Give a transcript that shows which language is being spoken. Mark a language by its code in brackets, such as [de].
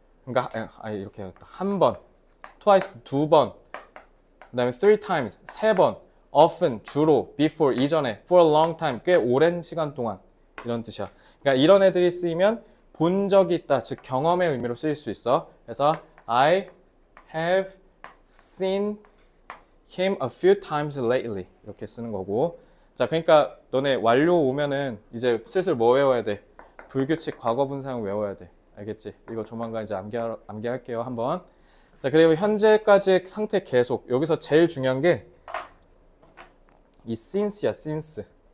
[ko] 그러니까 아니 이렇게 해야겠다. 한 번. twice 두 번. 그다음에 three times 세 번. often 주로, before 이전에, for a long time 꽤 오랜 시간 동안 이런 뜻이야. 그러니까 이런 애들이 쓰이면 본 적이 있다, 즉 경험의 의미로 쓰일 수 있어. [en] 그래서 I have seen him a few times lately. [ko] 이렇게 쓰는 거고. 자, 그러니까 너네 완료 오면은 이제 슬슬 뭐 외워야 돼? 불규칙 과거분사형 외워야 돼. 알겠지? 이거 조만간 이제 암기할게요, 한번. 자, 그리고 현재까지의 상태 계속. 여기서 제일 중요한 게이 since야, since.